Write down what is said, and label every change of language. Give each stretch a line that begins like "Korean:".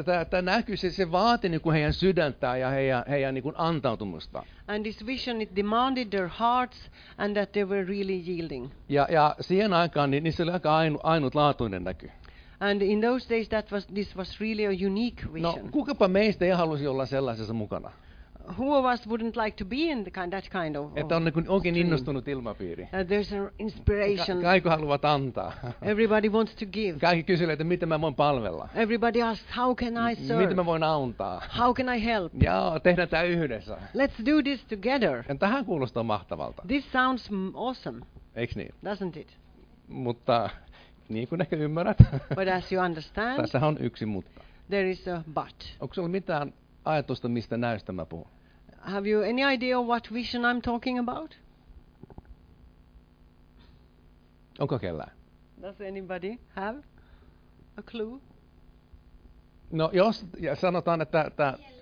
Finnish: Tämä näkyy, se vaati niin kuin heidän sydäntää ja heidän niin kuin antautumusta.
English: And this vision, it demanded their hearts and that they were really yielding.
Finnish: Ja siihen aikaan niin se oli aika ainutlaatuinen näky.
English: And in those days this was really a unique vision.
Finnish: No, kukapa meistä ei halusi olla sellaisessa mukana?
English: Who of us wouldn't like to be in that kind of
Finnish: että on niin oikein innostunut ilmapiiri.
English: There's an inspiration.
Finnish: Kaikki haluavat antaa.
English: Everybody wants to give.
Finnish: Kaikki kysyvät, että miten mä voin palvella.
English: Everybody asks, how can I serve?
Finnish: Miten mä voin antaa?
English: How can I help?
Finnish: Joo, tehdään tämä yhdessä.
English: Let's do this together.
Finnish: Ja tähän kuulostaa mahtavalta.
English: This sounds awesome.
Finnish: Eiks niin?
English: Doesn't it?
Finnish: Mutta niin kuin ehkä ymmärrät.
English: But as you understand.
Finnish: Tässä on yksi mutta.
English: There is a but.
Finnish: Onko sulla mitään ajatusta, mistä näystä mä puhun?
English: Have you any idea what vision I'm talking about?
Finnish: Onko kellään?
English: Does anybody have a clue?
Finnish: No jos sanotaan, että tää...